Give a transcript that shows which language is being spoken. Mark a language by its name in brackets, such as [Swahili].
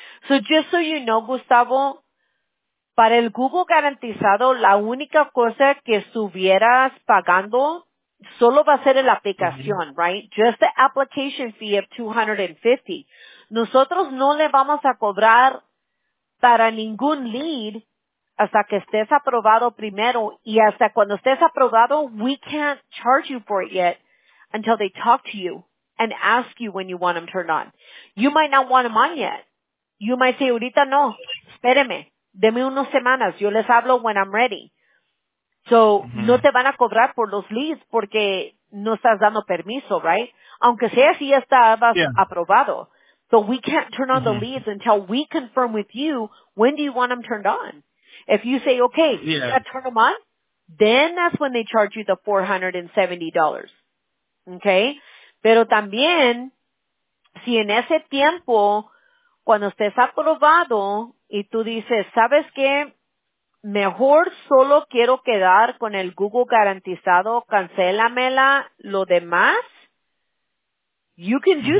[English] So just so you know, [Spanish] Gustavo, para el Google garantizado, la única cosa que estuvieras pagando solo va a ser la aplicación, right? [English] Just the application fee of $250. [Spanish] Nosotros no le vamos a cobrar para ningún lead hasta que estés aprobado primero. Y hasta cuando estés aprobado, [English] we can't charge you for it yet until they talk to you and ask you when you want them turned on. You might not want them on yet. You might say, [Spanish] ahorita no, espéreme, deme unas semanas. Yo les hablo [English] when I'm ready. So, [Spanish] mm-hmm. no te van a cobrar por los leads porque no estás dando permiso, right? Aunque sea si ya estabas yeah. aprobado. [English] So, we can't turn on mm-hmm. the leads until we confirm with you, when do you want them turned on? If you say, okay, yeah. you gotta turn them on, then that's when they charge you the $470. Okay? [Spanish] Pero también, si en ese tiempo, cuando estés aprobado, y tú dices, ¿sabes qué? Mejor solo quiero quedar con el Google garantizado, cancélamela, lo demás, [English] you can do